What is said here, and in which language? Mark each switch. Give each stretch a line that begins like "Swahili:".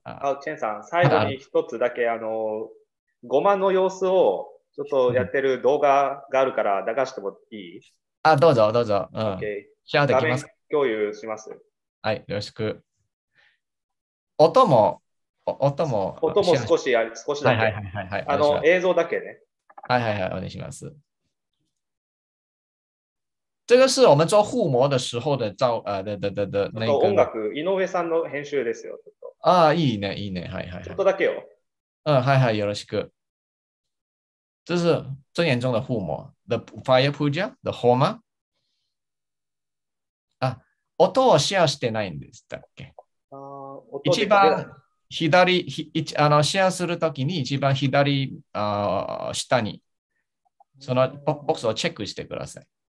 Japanese: 好，千さん、最後に一つだけごまの様子をちょっとやってる動画があるから流してもいい？あ、どうぞどうぞ。 OK。画面共有します。はい、よろしく。音も。音も少しだけ。はいはいはいはい。映像だけね。はいはいはい、お願いします。
Chinese: 这个是我们做护摩的时候的照、的那个。
Japanese: 音楽、井上さんの編集ですよ。あ、いいね、いいね。はいはいはい。ちょっとだけよ。はいはい、よろしく。
Chinese: 这是真言中的护摩，
English: the fire puja, the homa。
Japanese: 啊，音をシェアしてないんですだっけ？一番左シェアするときに一番左下にそのボックスをチェックしてください。